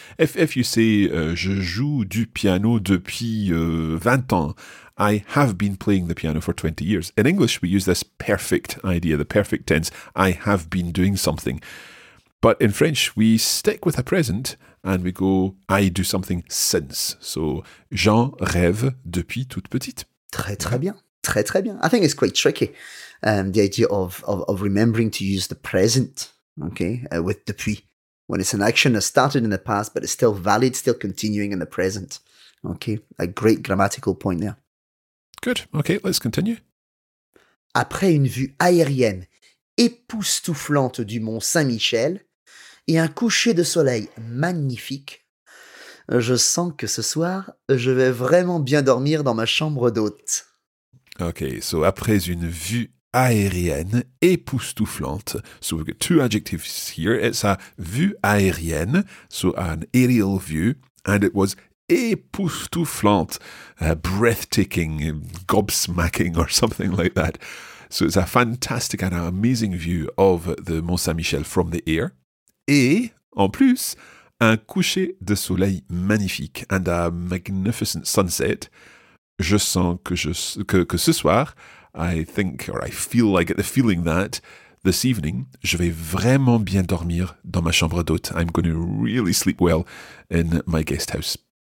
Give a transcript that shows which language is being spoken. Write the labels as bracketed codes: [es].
[en] If you say, [fr] je joue du piano depuis 20 ans, [en] I have been playing the piano for 20 years. In English, we use this perfect idea, the perfect tense, I have been doing something. But in French, we stick with a present and we go, I do something since. [fr] So, Jean rêve depuis toute petite. Très, très bien. Très, très bien. [en] I think it's quite tricky. The idea of remembering to use the present, okay, with depuis. When it's an action that started in the past, but it's still valid, still continuing in the present. Okay, a great grammatical point there. Good. Okay, let's continue. [fr] Après une vue aérienne époustouflante du mont Saint-Michel et un coucher de soleil magnifique, je sens que ce soir, je vais vraiment bien dormir dans ma chambre d'hôte. [en] Okay, so [fr] après une vue aérienne époustouflante, [en] so we've got two adjectives here. It's a vue aérienne, so an aerial view, and it was époustouflante, breathtaking, gobsmacking, or something like that. So it's a fantastic and amazing view of the Mont Saint-Michel from the air. [fr] Et, en plus, un coucher de soleil magnifique [en] and a magnificent sunset. [fr] Je sens que ce soir, [en] I think, or I feel like, I get the feeling that this evening, [fr] je vais vraiment bien dormir dans ma chambre d'hôte. [en] I'm going to really sleep well in my guest house.